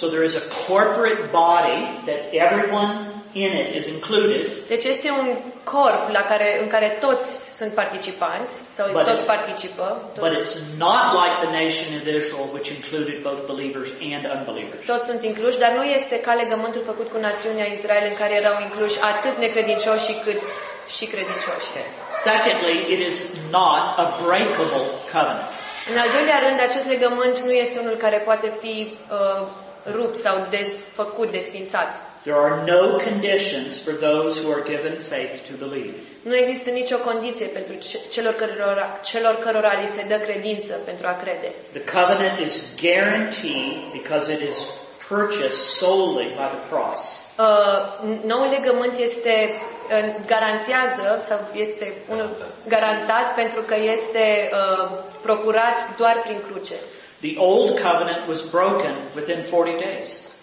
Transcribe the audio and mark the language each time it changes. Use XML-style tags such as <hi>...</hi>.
<en>So there is a corporate body that everyone in it is included.</en> <ro>Deci este un corp la care în care toți sunt participanți sau toți participă.</ro> <en>But it's not like the nation of Israel, which included both believers and unbelievers.</en> <ro>Toți sunt incluși, dar nu este ca legământul făcut cu națiunea Israel în care erau incluși atât necredincioși cât și credincioși.</ro> <en>Okay. Secondly, it is not a breakable covenant.</en> <ro>În al doilea rând, acest legământ nu este unul care poate fi rupt sau desfăcut, desfințat.</ro> <en>There are no conditions for those who are given faith to believe.</en> <ro>Nu există nicio condiție pentru celor cărora li se dă credință pentru a crede.</ro> <en>The covenant is guaranteed because it is purchased solely by the cross.</en> <ro>Noul legământ este garantează sau este unul garantat pentru că este procurat doar prin cruce.</ro> <en>The old covenant was broken within 40 days.</en>